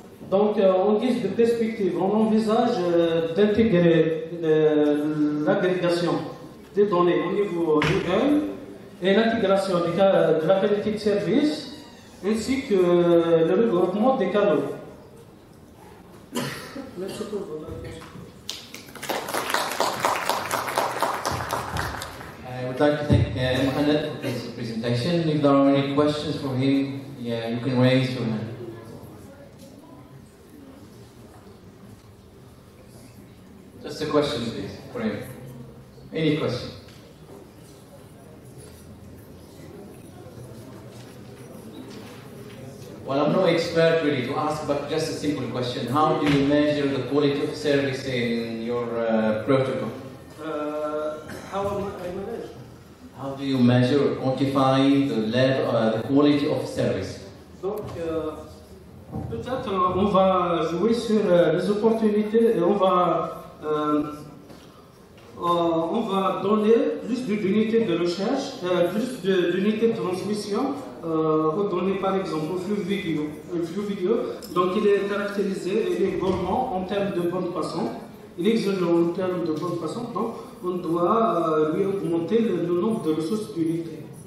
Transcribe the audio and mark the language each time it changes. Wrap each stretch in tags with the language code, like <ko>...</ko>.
<fr>Donc, en guise de perspective, on envisage d'intégrer l'agrégation des données au niveau local et l'intégration de la qualité de service ainsi que le regroupement des canaux.</fr> <en>I would like to thank Mohamed for his presentation. If there are any questions for him, you can raise your hand. Just a question, please, for him. Any question? Well, I'm no expert really to ask, but just a simple question. How do you measure the quality of service in your protocol? How do you measure, quantify the level, the quality of service?</en> <fr>Donc, peut-être on va jouer sur les opportunités et on va donner plus d'unités de recherche, plus d'unités de transmission. Redonner par exemple au flux vidéo. Le flux vidéo, donc il est caractérisé, il est gourmand en termes de bande passante, il est exigeant en termes de bande passante, donc on doit lui augmenter le nombre de ressources d'unités.</fr>